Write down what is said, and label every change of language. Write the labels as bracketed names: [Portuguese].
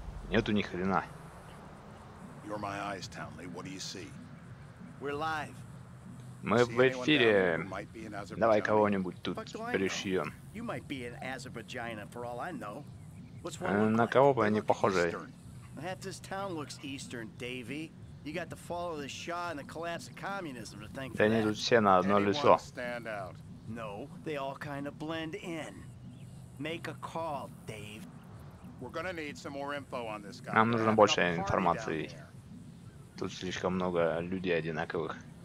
[Russian] Нету ни хрена. [English] You're my eyes, Townley. What do you see? We're live. [Russian] Мы в эфире. Давай кого-нибудь тут пришьем. [English] You might be in Azerbaijan for all I know. What's wrong? [Russian] На кого бы они похожи? [English] That this town looks eastern, Davey. You got to follow the Shah and the collapse of communism to thank for that. Then you stand out. No, they all kind of blend in. Make a call, Dave. We're gonna need some more info on this guy. [Russian] Нам нужно больше информации. Тут слишком много людей одинаковых.